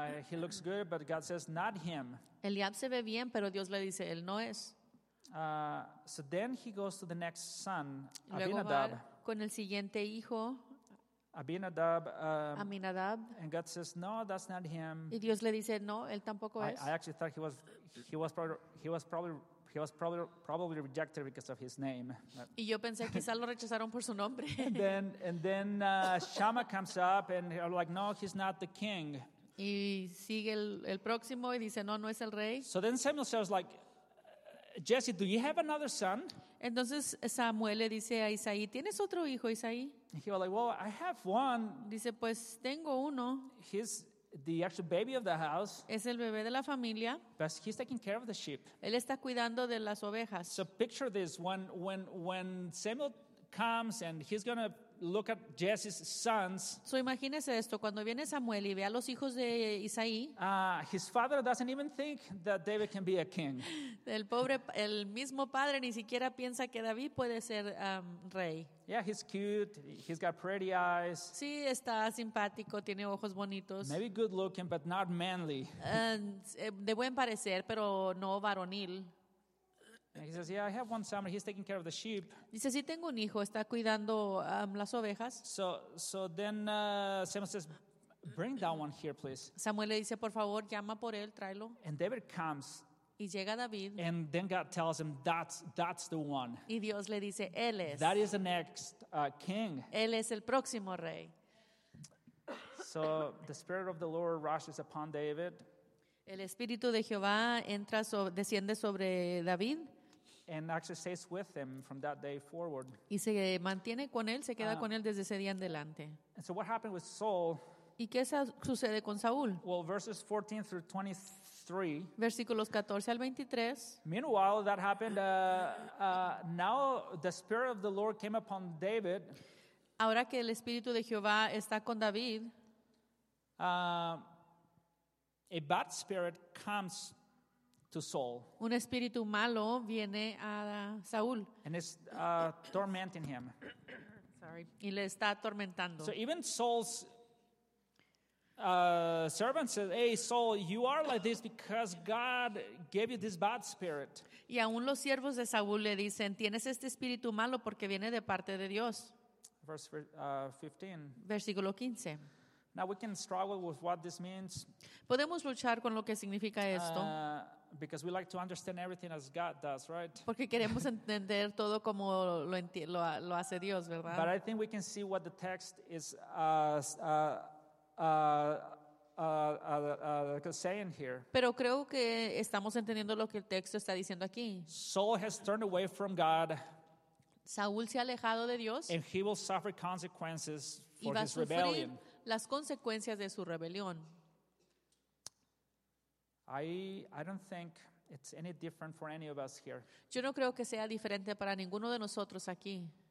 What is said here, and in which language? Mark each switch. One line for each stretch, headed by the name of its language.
English: He looks good, but God says not him.
Spanish: Eliab se ve bien, pero Dios le dice él no es.
English: So then he goes to the next son,
Spanish: luego Abinadab. Con el siguiente hijo, Abinadab. Aminadab.
English: And God says no, that's not him.
Spanish: Y Dios le dice no, él tampoco es.
English: I actually thought he was probably rejected because of his name.
Spanish: Y yo pensé quizá lo rechazaron por su nombre.
English: And then Shammah comes up and they're like, no, he's not the king.
Spanish: Y sigue el próximo y dice, no, no es el rey.
English: So then Samuel says, like, Jesse, do you have another son?
Spanish: Entonces Samuel le dice a Isaí, ¿tienes otro hijo, Isaí?
English: He was like, well, I have one.
Spanish: Dice, pues tengo uno.
English: He's the actual baby of the house.
Spanish: Es el bebé de la familia.
English: But he's taking care of the sheep.
Spanish: Él está cuidando de las ovejas.
English: So picture this, when Samuel comes and he's going to look at Jesse's sons.
Spanish: So imagínese esto, cuando viene Samuel y ve a los hijos de Isaí.
English: His father doesn't even think that David can be a king.
Spanish: El pobre, el mismo padre ni siquiera piensa que David puede ser rey.
English: Yeah, he's cute. He's got pretty eyes.
Spanish: Sí, está simpático, tiene ojos bonitos.
English: Maybe good looking, but not manly.
Spanish: De buen parecer, pero no varonil.
English: He says, "Yeah, I have one son. He's taking care of the sheep."
Spanish: Dice, sí, tengo un hijo. Está cuidando las ovejas.
English: So then Samuel says, "Bring that one here, please."
Spanish: Samuel le dice, por favor, llama por él, tráelo.
English: And David comes.
Spanish: Y llega David.
English: And then God tells him, "That's the one."
Spanish: Y Dios le dice, él es.
English: That is the next king.
Spanish: Él es el próximo rey.
English: So the Spirit of the Lord rushes upon David.
Spanish: El Espíritu de Jehová entra desciende sobre David.
English: And actually stays with him from that day forward.
Spanish: Y se mantiene con él, se queda con él desde ese día en adelante.
English: And so what happened with Saul?
Spanish: ¿Y qué sucede con Saúl?
English: Well, verses 14 through 23.
Spanish: Versículos 14 al 23.
English: Meanwhile, that happened. Now the Spirit of the Lord came upon David.
Spanish: Ahora que el Espíritu de Jehová está con David.
English: A bad spirit comes to Saul.
Spanish: Un espíritu malo viene a Saúl.
English: And it's tormenting him. Sorry.
Spanish: Y le está atormentando.
English: So even Saul's servant says, "Hey Saul, you are like this because God gave you this bad spirit."
Spanish: Y aún los siervos de Saúl le dicen, "Tienes este espíritu malo porque viene de parte de Dios."
English: Verse 15.
Spanish: Versículo 15.
English: Now we can struggle with what this means.
Spanish: Podemos luchar con lo que significa esto.
English: Because we like to understand everything as God does, right?
Spanish: Porque queremos entender todo como lo hace Dios, ¿verdad?
English: But I think we can see what the text is saying here.
Spanish: Pero creo que estamos entendiendo lo que el texto está diciendo aquí.
English: Saul has turned away from God.
Spanish: Saúl se ha alejado de Dios.
English: And he will suffer consequences for his rebellion.
Spanish: Las consecuencias de su rebelión.
English: I don't think it's any different for any of us here.
Spanish: Yo no creo que sea diferente para ninguno de nosotros aquí.